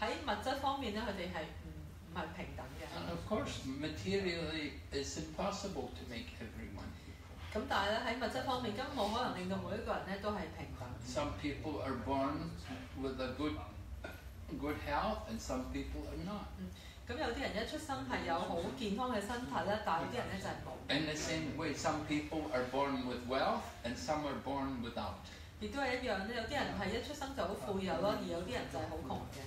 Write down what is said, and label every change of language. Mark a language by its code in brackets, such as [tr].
[yue] 喺物質方面咧，佢哋係唔係平等嘅。 [en] And of course, materially, it's impossible to make everyone equal. [yue] 咁但係咧，喺物質方面，根本冇可能令到每一個人咧都係平等。 [en] Some people are born with a good health, and some people are not. [yue] 咁有啲人一出生係有好健康嘅身體咧，但係有啲人咧就係冇。 [en] In the same way, some people are born with wealth, and some are born without. [yue] 亦都係一樣咧，有啲人係一出生就好富有咯，而有啲人就係好窮嘅。